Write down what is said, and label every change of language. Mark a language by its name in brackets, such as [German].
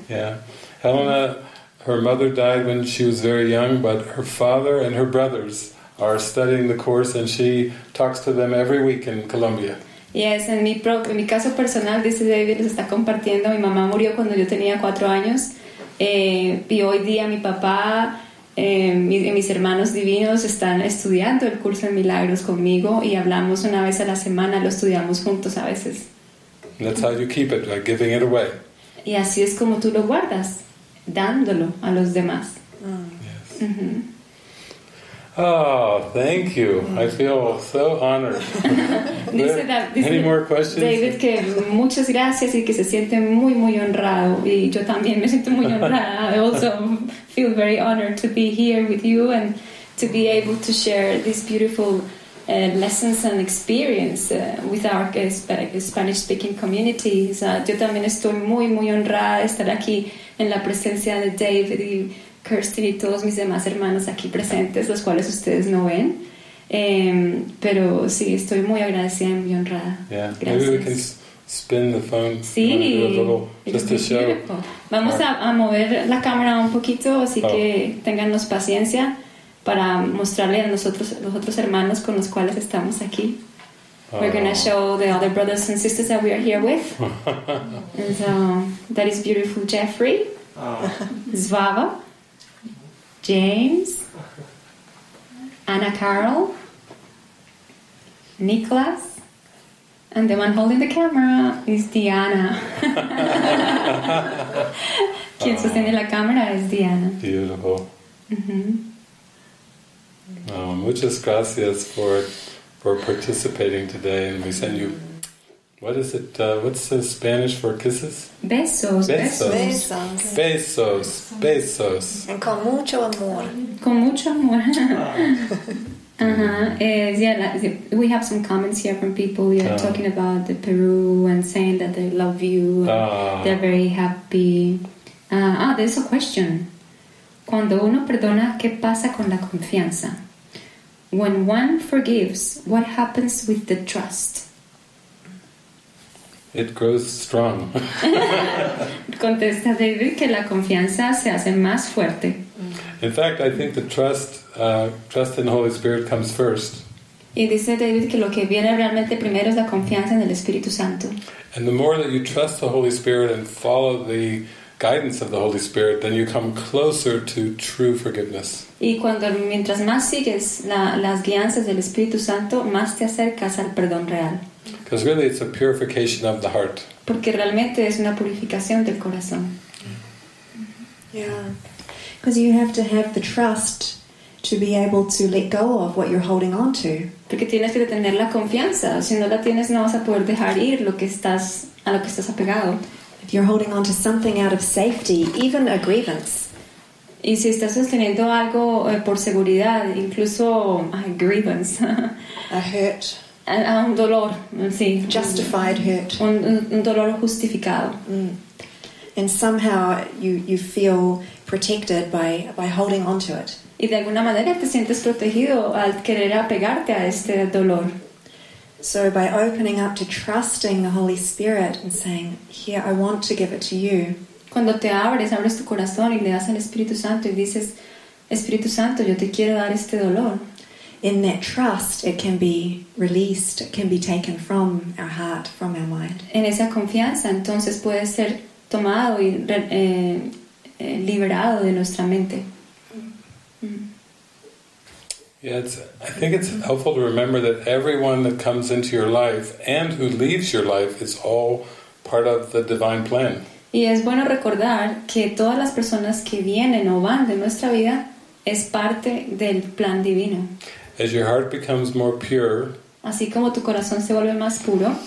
[English] Yeah. Helena, her mother died when she was very young, but her father and her brothers are studying the course and she talks to them every week in Colombia. [Spanish] Yes, en mi caso personal, dice David, les está compartiendo, mi mamá murió cuando yo tenía 4 años, y hoy día mi papá, mis hermanos divinos están estudiando el curso de milagros conmigo y hablamos una vez a la semana, lo estudiamos juntos a veces. [English] That's how you keep it, by giving it away. [Spanish] Y así es como tú lo guardas, dándolo a los demás. [English] Oh, thank you. I feel so honored. Any more questions? [Spanish] David, que muchas gracias y que se siente muy, muy honrado. Y yo también me siento muy honrada. [English] I also feel very honored to be here with you and to be able to share these beautiful lessons and experience with our Spanish-speaking communities. [Spanish] Yo también estoy muy, muy honrada de estar aquí en la presencia de David y Kirsten y todos mis demás hermanos aquí presentes, los cuales ustedes no ven. Pero sí, estoy muy agradecida y muy honrada. [English] Yeah. Gracias. Maybe we can spin the phone. [Spanish] Sí. [English] A little, just to show. [Spanish] Vamos a mover la cámara un poquito, así que téngannos paciencia para mostrarle a nosotros, los otros hermanos con los cuales estamos aquí. [English] We're going to show the other brothers and sisters that we are here with. And so, that is beautiful, Jeffrey. Zvava. James, Anna Carol, Nicholas, and the one holding the camera is Diana. [Spanish] Quien sostiene la cámara es Diana. [English] Beautiful. Mm-hmm. [Spanish] Muchas gracias [English] for participating today, and we send you. What is it? What's the Spanish for kisses? [Spanish] Besos. Besos. [English] And [Spanish] con mucho amor. Con mucho amor. [English] We have some comments here from people. We are talking about the Peru and saying that they love you. They're very happy. There's a question. [Spanish] Cuando uno perdona, ¿qué pasa con la confianza? [English] When one forgives, what happens with the trust? It grows strong. [Spanish] Contesta David que la confianza se hace más fuerte. [English] In fact, I think the trust in the Holy Spirit comes first. [Spanish] Y dice David que lo que viene realmente primero es la confianza en el Espíritu Santo. [English] And the more that you trust the Holy Spirit and follow the guidance of the Holy Spirit, then you come closer to true forgiveness. [Spanish] Y cuando mientras más sigues las guianzas del Espíritu Santo, más te acercas al perdón real. [English] Because really, it's a purification of the heart. [Spanish] Porque realmente es una purificación del corazón. [English] Yeah, because you have to have the trust to be able to let go of what you're holding on to. [Spanish] Porque tienes que tener la confianza. Si no la tienes, no vas a poder dejar ir a lo que estás apegado. [English] If you're holding on to something out of safety, even a grievance. [Spanish] Y si estás sosteniendo algo por seguridad, incluso [English] a grievance. A hurt. [Spanish] Un dolor, sí. [English] Justified hurt. [Spanish] Un dolor justificado. Mm. [English] And somehow you feel protected by holding on to it. [Spanish] Y de alguna manera te sientes protegido al querer apegarte a este dolor. [English] So by opening up to trusting the Holy Spirit and saying, "Here, I want to give it to you." [Spanish] Cuando te abres tu corazón y le das al Espíritu Santo y dices, Espíritu Santo, yo te quiero dar este dolor. [English] In that trust, it can be released. It can be taken from our heart, from our mind. [Spanish] En esa confianza, entonces puede ser tomado y liberado de nuestra mente. [English] Yeah, I think it's helpful to remember that everyone that comes into your life and who leaves your life is all part of the divine plan. [Spanish] Y es bueno recordar que todas las personas que vienen o van de nuestra vida es parte del plan divino. [English] As your heart becomes more pure, [Spanish] así como tu corazón se vuelve más puro,